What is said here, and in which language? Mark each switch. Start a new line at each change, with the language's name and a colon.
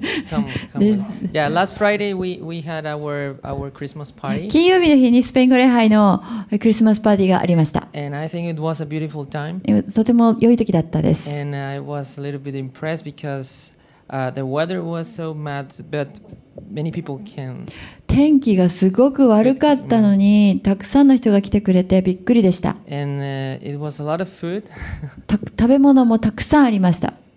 English: Come on. Yeah, last Friday we had our Christmas party.
Japanese: 金曜日の日にスペイン語礼拝のクリスマスパーティーがありました。
English: And I think it was a beautiful time.
Japanese: とても良い時だったです。
English: And I was a little bit impressed because the weather was so bad, but many people can.
Japanese: 天気がすごく悪かったのに、たくさんの人が来てくれてびっくりでした。
English: And it was a lot of food.
Japanese: 食べ物もたくさんありました。